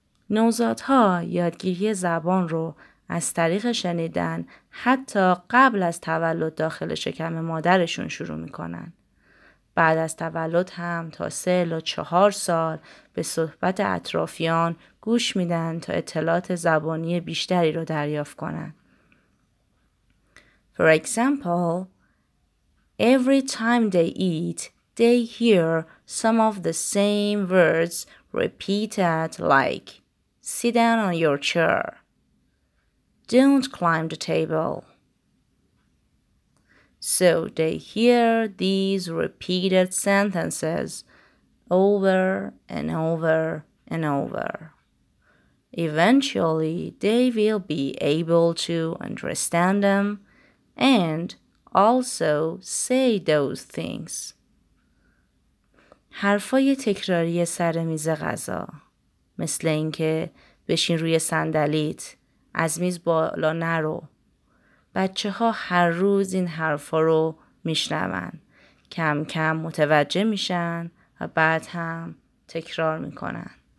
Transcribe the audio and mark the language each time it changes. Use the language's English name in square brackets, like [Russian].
[Persian] نوزادها یادگیری زبان رو از طریق شنیدن حتی قبل از تولد داخل شکم مادرشون شروع میکنن. بعد از تولد هم تا 3 الی 4 سال به صحبت اطرافیان گوش میدن تا اطلاعات زبانی بیشتری رو دریافت کنن. [English] For example, every time they eat, they hear some of the same words repeated like sit down on your chair, don't climb the table. So they hear these repeated sentences over and over and over. Eventually, they will be able to understand them and also say those things. [Persian] حرفای تکراری سر میز غذا، مثل اینکه بشین روی صندلیت، از میز بالا نرو. بچه ها هر روز این حرفا رو میشنون، کم کم متوجه میشن و بعد هم تکرار میکنن.